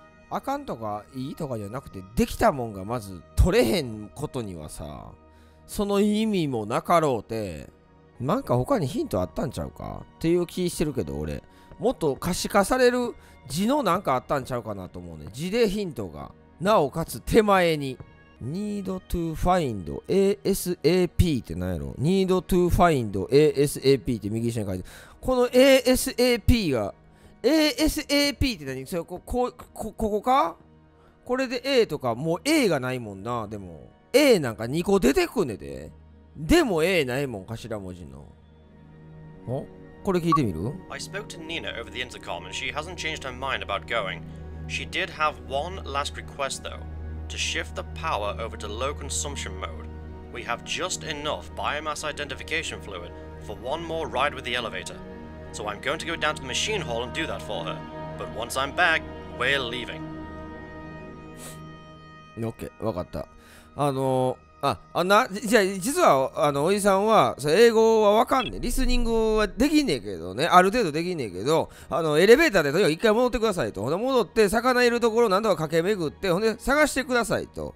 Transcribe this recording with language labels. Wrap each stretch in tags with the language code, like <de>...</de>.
<ja>あかんとかいいとかじゃなくて、できたもんがまず取れへんことにはさ、その意味もなかろうて、なんか他にヒントあったんちゃうかっていう気してるけど、俺。もっと可視化される字のなんかあったんちゃうかなと思うね。字でヒントが。なおかつ手前に。</ja> <en>Need to find ASAP</en> <ja>って何やろ ?Need to find ASAP って右下に書いてる。この ASAP が、ASAP って何？それ、ここか？これで A とか、もう A がないもんな。でも、A なんか2個出てくんねで。でも A ないもん、頭文字の。お？これ聞いてみる？</ja> <en>I spoke to Nina over the intercom and she hasn't changed her mind about going. She did have one last request though, to shift the power over to low consumption mode. We have just enough biomass identification fluid for one more ride with the elevator. So I'm going to go down to the machine hall and do that for her. But once I'm back, we're leaving.</en> <ja>OK、わかった。じゃあ実はおじさんは英語はわかんねえ、リスニングはできねえけどね、ある程度できねえけど、エレベーターでとにかく一回戻ってくださいと。ほんで戻って魚いるところを何度か駆け巡って、ほんで探してくださいと。</ja>